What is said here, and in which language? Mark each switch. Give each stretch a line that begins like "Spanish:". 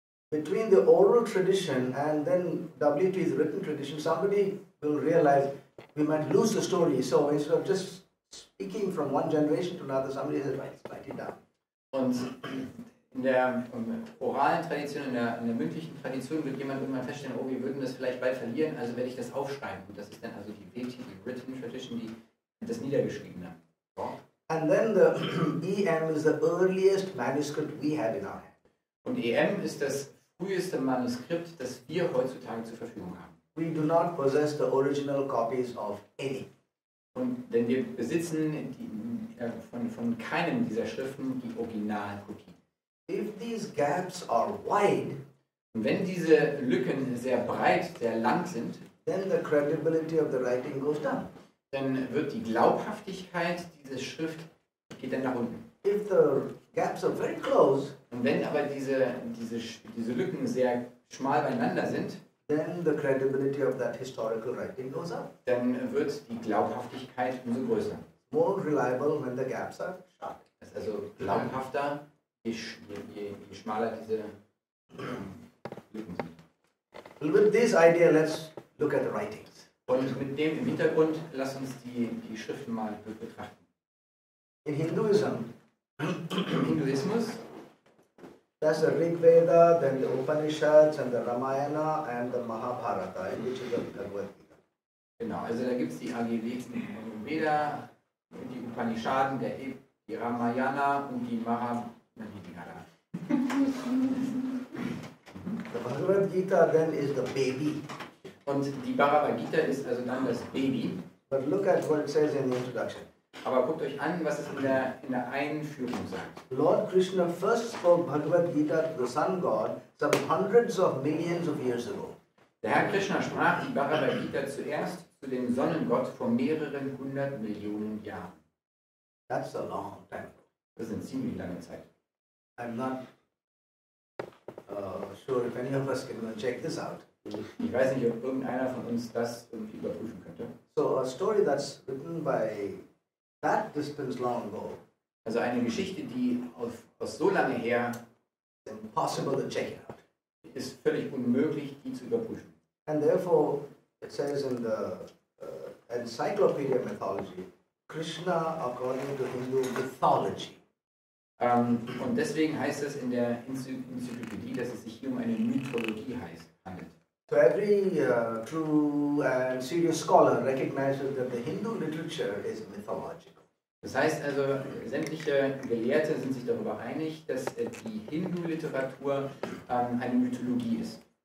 English: Between the oral tradition and then WT's written tradition, somebody will realize we might lose the story. So instead of just speaking from one generation to another, somebody says, write it down.
German: Und in der oralen Tradition, in der mündlichen Tradition, wird jemand irgendwann feststellen, oh, wir würden das vielleicht bald verlieren, also werde ich das aufschreiben. Und das ist dann also die WT, die
English: written tradition,
German: die das niedergeschriebene Wort.
English: And then the EM is the earliest manuscript we have in our hands.
German: Und EM ist das früheste Manuskript, das wir heutzutage zur Verfügung haben.
English: We do not possess the original copies of any.
German: Denn wir besitzen von keinem dieser Schriften die Originalkopie.
English: If these gaps are wide,
German: und wenn diese Lücken sehr breit, sehr lang sind,
English: then the credibility of the writing goes down.
German: Dann wird die Glaubhaftigkeit dieser Schrift geht dann nach unten.
English: If the gaps are very close,
German: und wenn aber diese Lücken sehr schmal beieinander sind,
English: then the credibility of that historical writing goes up.
German: Dann wird die Glaubhaftigkeit umso größer.
English: More reliable when the gaps are sharp.
German: Es ist also glaubhafter, je schmaler diese Lücken sind.
English: With this idea, let's look at the writings.
German: Und mit dem im Hintergrund, lass uns die Schriften mal betrachten.
English: In Hinduism.
German: Hinduismus.
English: That's the Rig Veda, then the Upanishads, and the Ramayana, and the Mahabharata, which is the Bhagavad Gita.
German: Genau, also da gibt es die Veda, die Upanishaden, die Ramayana und die Mahabharata.
English: The Bhagavad Gita then is the baby.
German: Und die Bhagavad Gita ist also dann das Baby.
English: But look at what it says in the introduction.
German: Aber guckt euch an, was es in der Einführung sagt.
English: Lord Krishna first spoke Bhagavad Gita to the sun god some hundreds of millions of years ago.
German: Der Herr Krishna sprach die Bhagavad Gita zuerst zu dem Sonnengott vor mehreren hundert Millionen Jahren.
English: That's a long time.
German: Das ist eine ziemlich lange Zeit.
English: I'm not sure if any of us can check this out.
German: Ich weiß nicht, ob irgendeiner von uns das irgendwie überprüfen könnte.
English: So a story that's written by that distance long ago.
German: Also eine Geschichte, die aus so lange her,
English: impossible to check it out.
German: Ist völlig unmöglich, die zu überprüfen.
English: And therefore, it says in the encyclopedia mythology, Krishna according to Hindu mythology.
German: Und deswegen heißt es in der Enzyklopädie, dass es sich hier um eine Mythologie handelt.
English: So every true and serious scholar recognizes that the Hindu literature is mythological.
German: Das heißt also, sämtliche Gelehrte sind sich darüber einig, dass die Hindu-Literatur eine Mythologie ist.